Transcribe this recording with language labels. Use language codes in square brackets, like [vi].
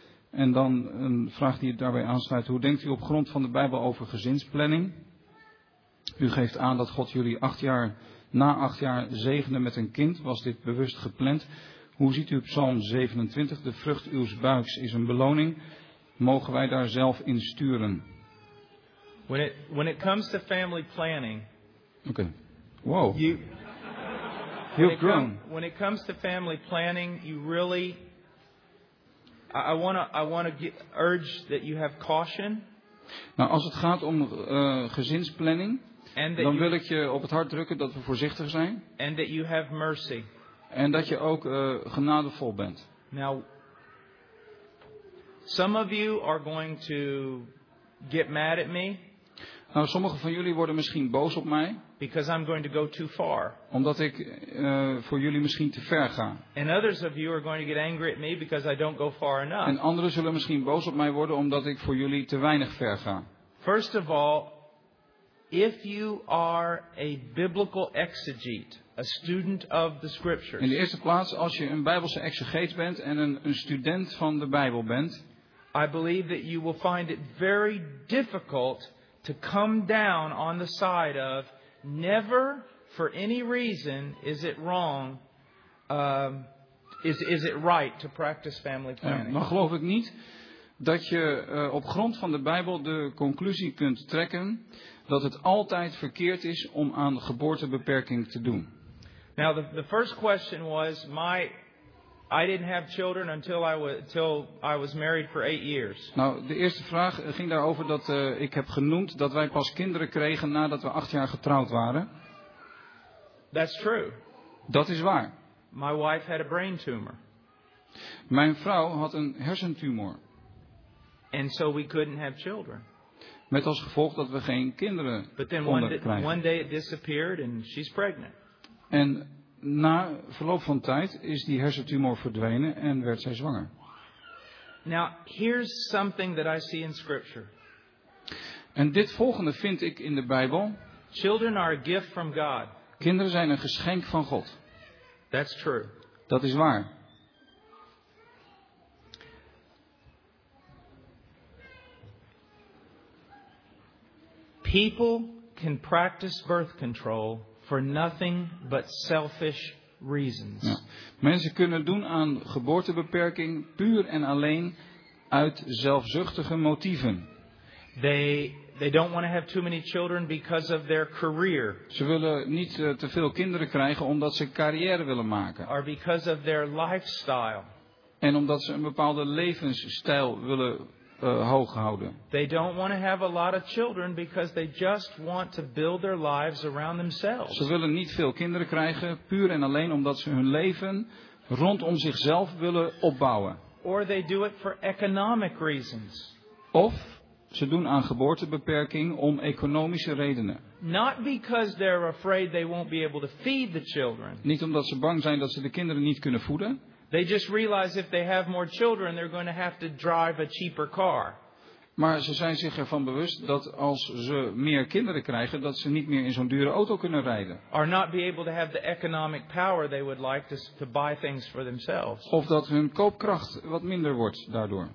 [nl] En dan een vraag die daarbij aansluit. Hoe denkt u op grond van de Bijbel over gezinsplanning? U geeft aan dat God jullie na acht jaar zegende met een kind. Was dit bewust gepland? Hoe ziet u Psalm 27? De vrucht uw buiks is een beloning. Mogen wij daar zelf in sturen? [en] When it comes to family planning. Okay. Wow. You've grown. When it comes to family planning, you really. I want to urge that you have caution. [nl] Nou, als het gaat om gezinsplanning, dan wil ik je op het hart drukken dat we voorzichtig zijn. [en] And that you have mercy. [nl] En dat je ook genadevol bent. [en] Now, some of you are going to get mad at me. [nl] Nou, sommige van jullie worden misschien boos op mij. [en] Because I'm going to go too far. [nl] Omdat ik voor jullie misschien te ver ga. [en] And others of you are going to get angry at me because I don't go far enough. [nl] En anderen zullen misschien boos op mij worden omdat ik voor jullie te weinig ver ga. [en] First of all, if you are a biblical exegete, a student of the scriptures. [nl] In de eerste plaats, als je een Bijbelse exegeet bent en een student van de Bijbel bent. [en] I believe that you will find it very difficult to come down on the side of never for any reason is it wrong is it right to practice family planning. [nl] Maar geloof ik niet dat je op grond van de Bijbel de conclusie kunt trekken dat het altijd verkeerd is om aan geboortebeperking te doen. [en] Now the first question was I didn't have children until I was married for 8 years. [nl] Nou, de eerste vraag ging daarover dat ik heb genoemd dat wij pas kinderen kregen nadat we 8 jaar getrouwd waren. [en] That's true. [nl] Dat is waar. [en] My wife had a brain tumor. [nl] Mijn vrouw had een hersentumor. [en] And so we couldn't have children. [nl] Met als gevolg dat we geen kinderen konden krijgen. [en] But then one day it disappeared and she's pregnant. [nl] En na verloop van tijd is die hersentumor verdwenen en werd zij zwanger. [en] Now, here's something that I see in scripture. [nl] En dit volgende vind ik in de Bijbel. [en] Children are a gift from God. [nl] Kinderen zijn een geschenk van God. [en] That's true. [nl] Dat is waar. [en] People can practice birth control for nothing but selfish reasons. [nl] Ja. Mensen kunnen doen aan geboortebeperking puur en alleen uit zelfzuchtige motieven. [en] They don't want to have too many children because of their career. [nl] Ze willen niet te veel kinderen krijgen omdat ze carrière willen maken. [en] Or because of their lifestyle. [nl] En omdat ze een bepaalde levensstijl willen hoog houden. [en] They don't want to have a lot of children because they just want to build their lives around themselves. [nl] Ze willen niet veel kinderen krijgen, puur en alleen omdat ze hun leven rondom zichzelf willen opbouwen. [en] Or they do it for economic reasons. [nl] Of ze doen aan geboortebeperking om economische redenen. [en] Not because they're afraid they won't be able to feed the children. [nl] Niet omdat ze bang zijn dat ze de kinderen niet kunnen voeden. [en] They just realize if they have more children, they're going to have to drive a cheaper car. [nl] Maar ze zijn zich ervan bewust dat als ze meer kinderen krijgen, dat ze niet meer in zo'n dure auto kunnen rijden. [en] Or not be able to have the economic power they would like to buy things for themselves. [nl] Of dat hun koopkracht wat minder wordt daardoor.